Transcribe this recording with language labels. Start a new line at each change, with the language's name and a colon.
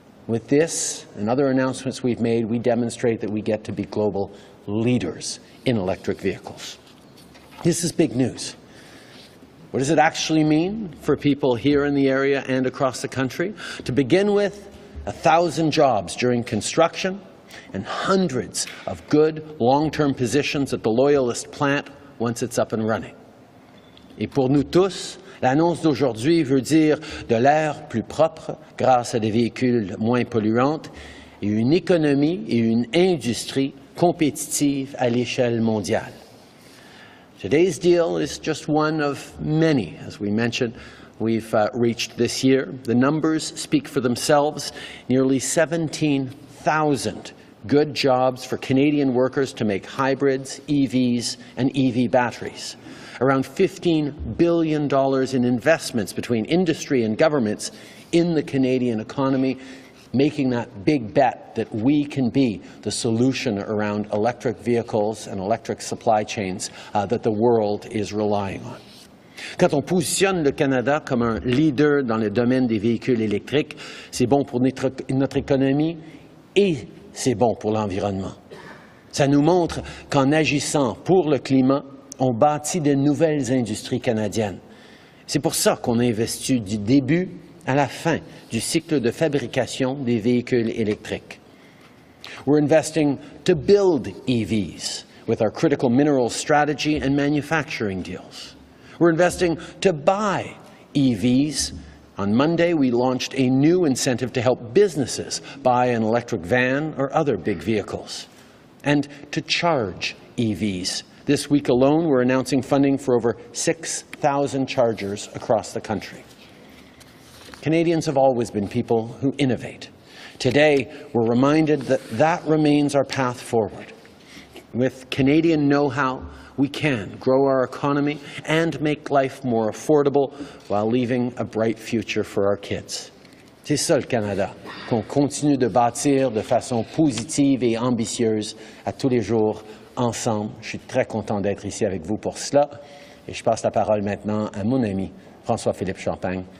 English: With this and other announcements we've made, we demonstrate that we get to be global leaders in electric vehicles. This is big news. What does it actually mean for people here in the area and across the country? To begin with, 1,000 jobs during construction and hundreds of good long-term positions at the Loyalist plant once it's up and running.
French: Et pour nous tous, l'annonce d'aujourd'hui veut dire de l'air plus propre grâce à des véhicules moins polluants et une économie et une industrie compétitive à l'échelle mondiale.
English: Today's deal is just one of many, as we mentioned, we've reached this year. The numbers speak for themselves. Nearly 17,000 good jobs for Canadian workers to make hybrids, EVs, and EV batteries. Around $15 billion in investments between industry and governments in the Canadian economy, making that big bet that we can be the solution around electric vehicles and electric supply chains that the world is relying on.
French: Quand on positionne le Canada comme un leader dans le domaine des véhicules électriques, c'est bon pour notre économie et c'est bon pour l'environnement. Ça nous montre qu'en agissant pour le climat, on bâtit de nouvelles industries canadiennes. C'est pour ça qu'on investit du début à la fin du cycle de fabrication des véhicules électriques.
English: We're investing to build EVs with our critical minerals strategy and manufacturing deals. We're investing to buy EVs. On Monday, we launched a new incentive to help businesses buy an electric van or other big vehicles. And to charge EVs. This week alone, we're announcing funding for over 6,000 chargers across the country. Canadians have always been people who innovate. Today, we're reminded that that remains our path forward. With Canadian know-how, we can grow our economy and make life more affordable while leaving a bright future for our kids.
French: C'est ça le Canada, qu'on continue de bâtir de façon positive et ambitieuse à tous les jours, ensemble. Je suis très content d'être ici avec vous pour cela. Et je passe la parole maintenant à mon ami, François-Philippe Champagne.